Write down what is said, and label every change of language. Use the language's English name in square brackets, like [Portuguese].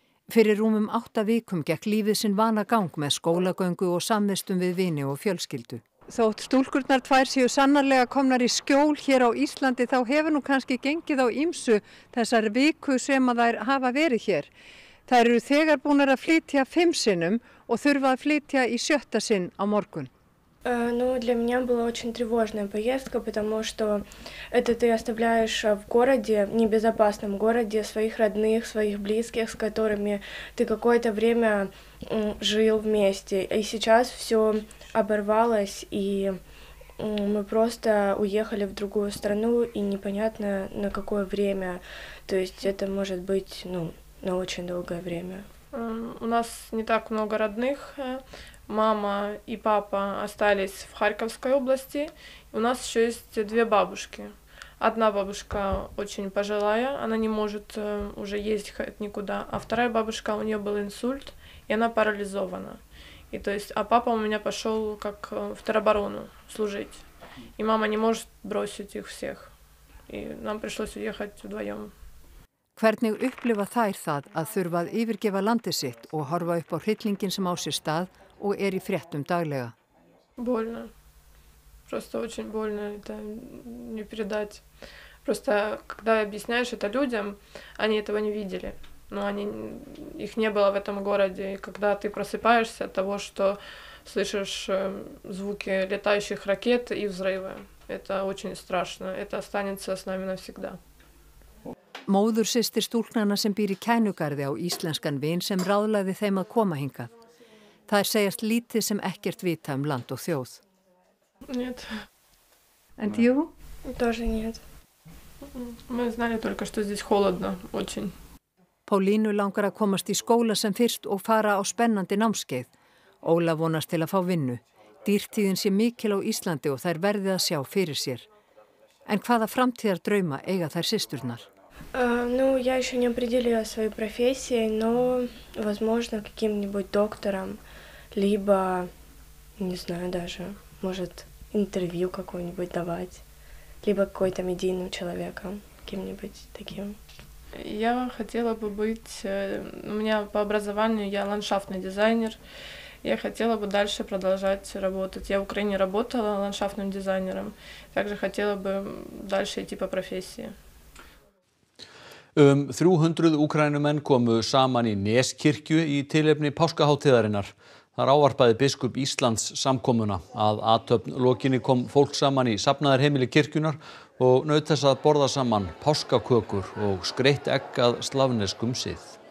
[Icelandic] Fyrir rúmum 8 vikum gekk lífið sinn vana gang með skólagöngu og samvistum við vini og fjölskyldu. Þótt stúlkurnar tvær séu sannarlega komnar í skjól hér á Íslandi þá hefur nú kannski gengið á ýmsu þessar viku sem að þær hafa verið hér. Þær eru þegar búnar að flytja 5 sinnum og þurfa að flytja í 7. sinn á morgun. [Russian] Ну, для меня была очень тревожная поездка, потому что это ты оставляешь в городе, небезопасном городе, своих родных, своих близких, с которыми ты какое-то время жил вместе. И сейчас все оборвалось, и мы просто уехали в другую страну, и непонятно на какое время. То есть это может быть, ну, на очень долгое время. У нас не так много родных. Мама и папа остались в Харьковской области. У нас еще есть 2 бабушки. Одна бабушка очень пожилая, она не может уже ездить никуда. А вторая бабушка, у нее был инсульт, и она парализована. И то есть, а папа у меня пошел как в тероборону служить. И мама не может бросить их всех. И нам пришлось уехать вдвоем. [Icelandic] Hvernig upplifa þær það að þurfa að yfirgefa landið sitt og horfa upp á hryllingin sem á sér stað og í fréttum daglega? [Russian] Больно. Просто очень больно это не передать. Просто когда объясняешь это людям, они этого не видели. Но они их не было в этом городе, и когда ты просыпаешься от того, что слышишь звуки летающих ракет и взрывы, это очень страшно. Это останется с нами навсегда. [Icelandic] Móður systir stúlknana sem býr í kænugarði á íslenskan vin sem ráðlagði þeim að koma hingað. Það segjast lítið sem ekkert vita land og þjóð. [Russian] Нет. [English] And you? [Russian] Тоже нет. Мы знали только, что здесь холодно, очень. [Icelandic] Pólínu langar að komast í skóla sem fyrst og fara á spennandi námskeið. Óla vonast til að fá vinnu. Dýrtíðin sé mikil á Íslandi og þær verði að sjá fyrir sér. En hvaða framtíðar drauma eiga þær systurnar? Ну, я еще не определила свою профессию, но, возможно, каким-нибудь доктором, либо, не знаю даже, может, интервью какое-нибудь давать, либо какой-то медийным человеком, каким-нибудь таким. Я хотела бы быть, у меня по образованию я ландшафтный дизайнер, я хотела бы дальше продолжать работать. Я в Украине работала ландшафтным дизайнером, также хотела бы дальше идти по профессии. 300 Úkraínumenn komu saman í Neskirkju í tilefni Páskahátíðarinnar. Þar ávarpaði biskup Íslands samkomuna. Að athöfn lokinni kom fólk saman í safnaðar heimili kirkjunar og naut þess að borða saman páskakökur og skreitt egg að slavneskum sið.